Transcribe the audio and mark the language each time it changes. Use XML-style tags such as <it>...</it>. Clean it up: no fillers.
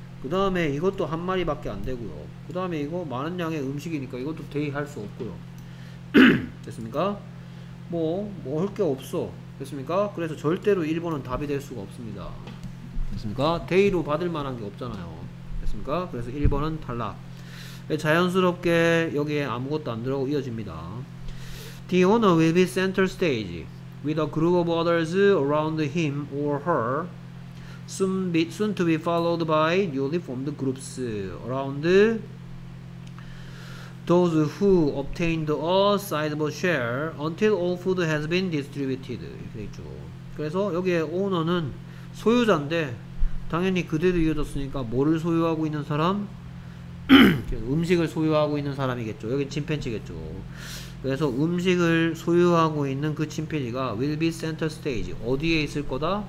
<ko>그 다음에 이것도 한 마리밖에 안 되고요. 그 다음에 이거 많은 양의 음식이니까 이것도 데이 할 수 없고요. 됐습니까? 뭐 먹을 게 없어. 됐습니까? 그래서 절대로 1번은 답이 될 수가 없습니다. 됐습니까? 데이로 받을 만한 게 없잖아요. 됐습니까? 그래서 1번은 탈락. 자연스럽게 여기에 아무것도 안 들어가고 이어집니다.</ko> <en>The owner will be center stage with a group of others around him or her, soon to be followed by newly formed groups around those who obtained a sizable share until all food has been distributed.</en> <ko>이렇게 있죠. 그래서 여기에 owner는 소유자인데 당연히 그대로 이어졌으니까 뭐를 소유하고 있는 사람? 음식을 소유하고 있는 사람이겠죠. 여기 침팬지겠죠. 그래서 음식을 소유하고 있는 그 침팬지가</ko> <en>will be center stage,</en> <ko>어디에 있을 거다?</ko>